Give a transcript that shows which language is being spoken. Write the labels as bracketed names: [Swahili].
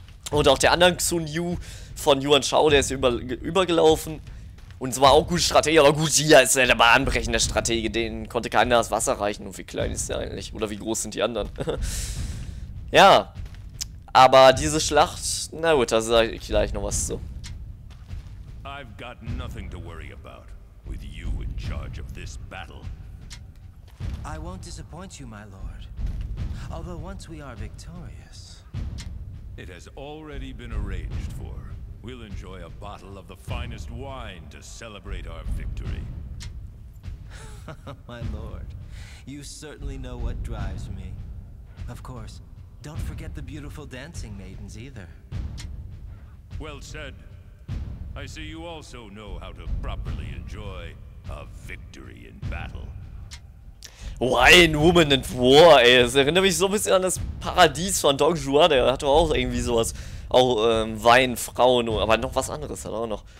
[German] Und auch der anderen Xun Yu von Yuan Shao, der ist übergelaufen. Und zwar auch gute Stratege, aber Gugia ist ja der bahnbrechende Stratege. Den konnte keiner das Wasser reichen. Und wie klein ist der eigentlich? Oder wie groß sind die anderen? Ja, aber diese Schlacht, na gut, da sage ich gleich noch was zu. [English] I've got nothing to worry about with you in charge of this battle. I won't disappoint you, my lord. Although once we are victorious, it has already been arranged for. We'll enjoy a bottle of the finest wine to celebrate our victory. My lord, you certainly know what drives me. Of course, don't forget the beautiful dancing maidens either. Well said. I see you also know how to properly enjoy a victory in battle. Wine, Woman and War, ey. [German] Das erinnert mich so ein bisschen an das Paradies von Don Juan. Der hatte auch irgendwie sowas. Auch Wein, Frauen, aber noch was anderes hat auch noch.